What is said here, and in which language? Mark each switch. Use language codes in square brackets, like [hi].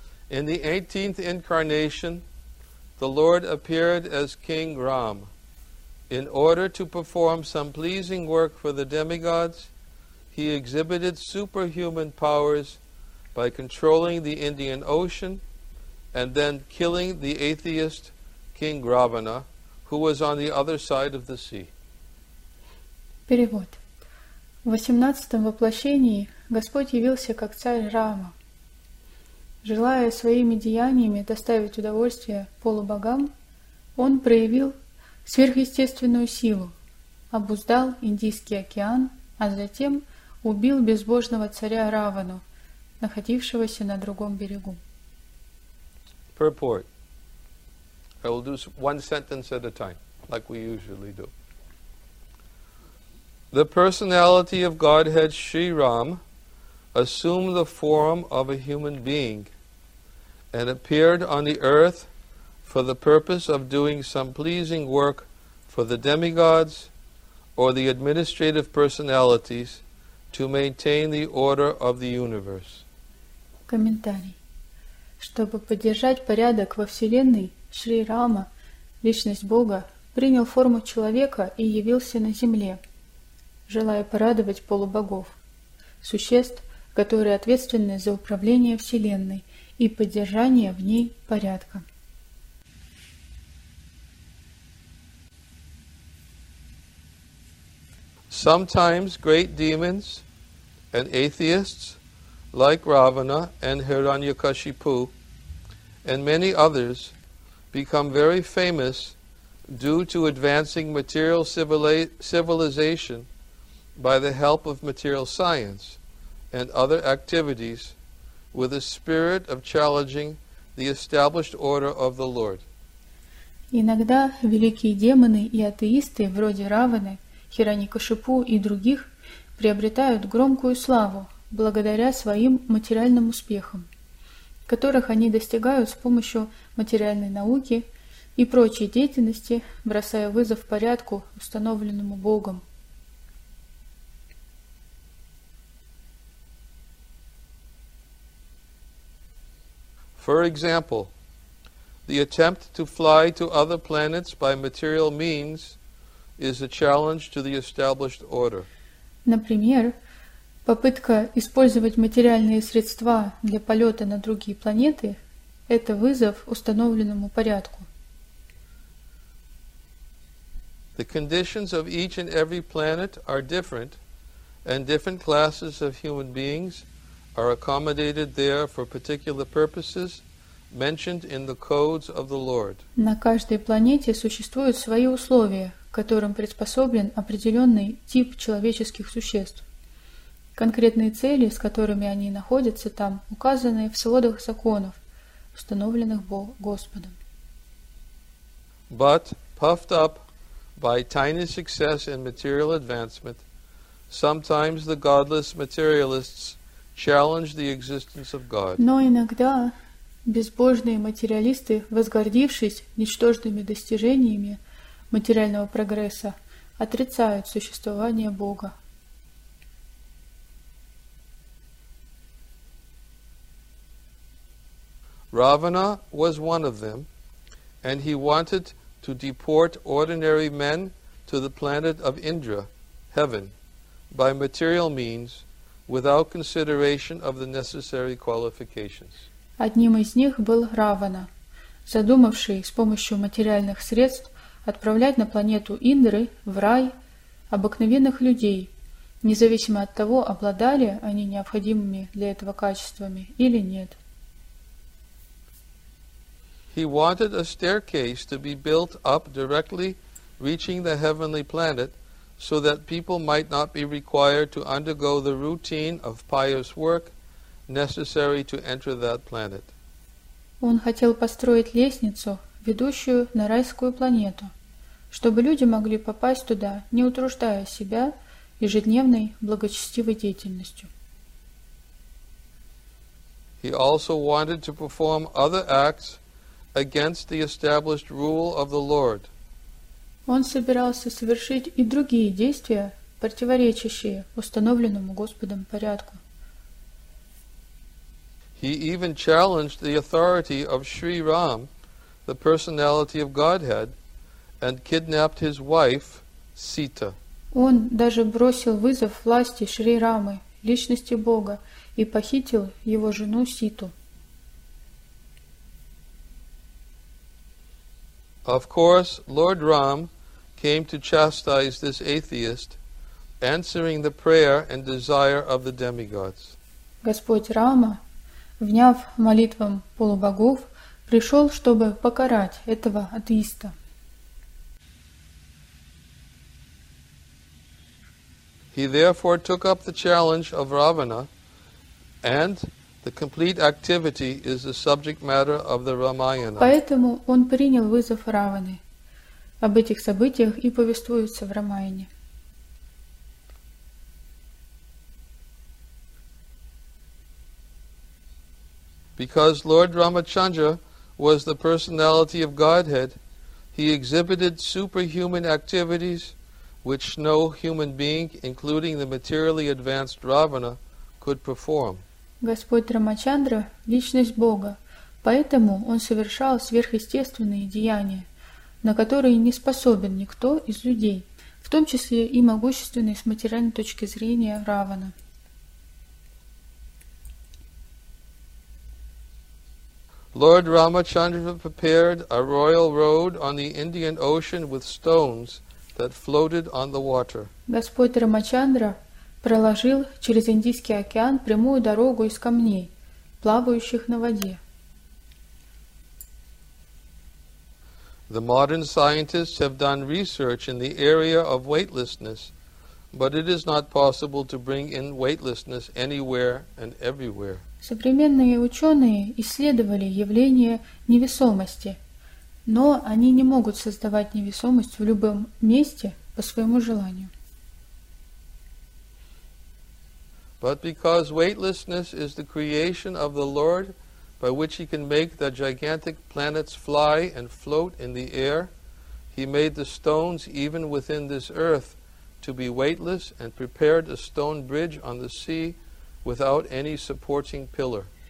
[en] In the 18th incarnation, the Lord appeared as King Ram in order to perform some pleasing work for the demigods. He exhibited superhuman powers by controlling the Indian Ocean and then killing the atheist King Ravana, who was on the other side of the sea. [ru] Перевод. В 18-м воплощении Господь явился как царь Рама. Желая своими деяниями доставить удовольствие полубогам, он проявил сверхъестественную силу, обуздал Индийский океан, а затем убил безбожного царя Равану, находившегося на другом берегу. [en] Purport. I will do one sentence at a time, like we usually do. The personality of Godhead Sri Ram assumed the form of a human being and appeared on the earth for the purpose of doing some pleasing work for the demigods or the administrative personalities to maintain the order of the universe. [ru] Комментарий. Чтобы поддержать порядок во Вселенной, Шри Рама, личность Бога, принял форму человека и явился на Земле, желая порадовать полубогов, существ, которые ответственны за управление Вселенной и поддержание в ней порядка. [en] Sometimes great demons and atheists like Ravana and Hiranyakashipu and many others become very famous due to advancing material civilization by the help of material science and other activities with a spirit of challenging the established order of the Lord. [ru] Иногда великие демоны и атеисты вроде Раваны, Хираньякашипу и других приобретают громкую славу благодаря своим материальным успехам, которых они достигают с помощью материальной науки и прочей деятельности, бросая вызов порядку, установленному Богом. [en] For example, the attempt to fly to other planets by material means is a challenge to the established order. [ru] Например, попытка использовать материальные средства для полета на другие планеты – это вызов установленному порядку. [en] The conditions of each and every planet are different, and different classes of human beings are accommodated there for particular purposes mentioned in the codes of the Lord. [ru] На каждой планете существуют свои условия, которым приспособлен определенный тип человеческих существ. Конкретные цели, с которыми они находятся там, указаны в сводах законов, установленных Господом. [en] But puffed up by tiny success in material advancement, sometimes the godless materialists challenge the existence of God. [ru] Но иногда безбожные материалисты, возгордившись ничтожными достижениями материального прогресса, отрицают существование Бога. [en] Ravana was one of them, and he wanted to deport ordinary men to the planet of Indra, heaven, by material means, without consideration of the necessary qualifications. [ru] Одним из них был Равана, задумавший с помощью материальных средств отправлять на планету Индры, в рай, обыкновенных людей, независимо от того, обладали они необходимыми для этого качествами или нет. [en] He wanted a staircase to be built up directly reaching the heavenly planet so that people might not be required to undergo the routine of pious work necessary to enter that planet. [ru] Он хотел построить лестницу, ведущую на райскую планету, чтобы люди могли попасть туда, не утруждая себя ежедневной благочестивой деятельностью. [en] He also wanted to perform other acts against the established rule of the Lord. [ru] Он собирался совершить и другие действия, противоречащие установленному Господом порядку. [en] He even challenged the authority of Sri Ram, the personality of Godhead, and kidnapped his wife, Sita. [ru] Он даже бросил вызов власти Шри Рамы, личности Бога, и похитил его жену Ситу. [en] Of course, Lord Ram came to chastise this atheist, answering the prayer and desire of the demigods. [ru] Господь Рама, вняв молитвам полубогов, пришел, чтобы покарать этого атеиста. [en] He therefore took up the challenge of Ravana, and the complete activity is the subject matter of the Ramayana. [ru] Поэтому он принял вызов Раваны. Об этих событиях и повествуется в Рамаяне. [en] Because Lord Ramachandra was the personality of Godhead, he exhibited superhuman activities which no human being, including the materially advanced Ravana, could perform. [ru] Господь Рамачандра – личность Бога, поэтому он совершал сверхъестественные деяния, на которые не способен никто из людей, в том числе и могущественный с материальной точки зрения Равана. [en] Lord Ramachandra prepared a royal road on the Indian Ocean with stones that floated on the water. [ru] Господь Рамачандра проложил через Индийский океан прямую дорогу из камней, плавающих на воде. [en] The modern scientists have done research in the area of weightlessness, but it is not possible to bring in weightlessness anywhere and everywhere. [ru] Современные ученые исследовали явление невесомости, но они не могут создавать невесомость в любом месте по своему желанию. [en] But because weightlessness is the creation of the Lord, by which he can make the gigantic planets fly and float in the air, he made the stones even within this earth to be weightless and prepared a stone bridge on the sea without any supporting pillar.